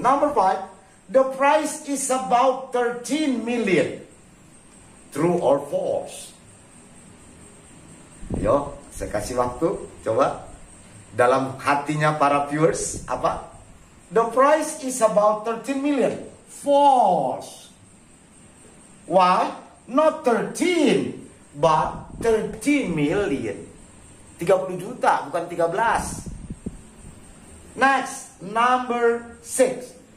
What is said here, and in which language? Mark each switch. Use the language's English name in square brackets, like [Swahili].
[English] Number 5, the price is about 13 million. True or false? [Indonesian] Yo, saya kasih waktu, coba. Dalam hatinya para viewers, apa? [English] The price is about 13 million. False. Why? Not 13, but 13 million. [Indonesian] 30 juta, bukan 13. Next, number 6.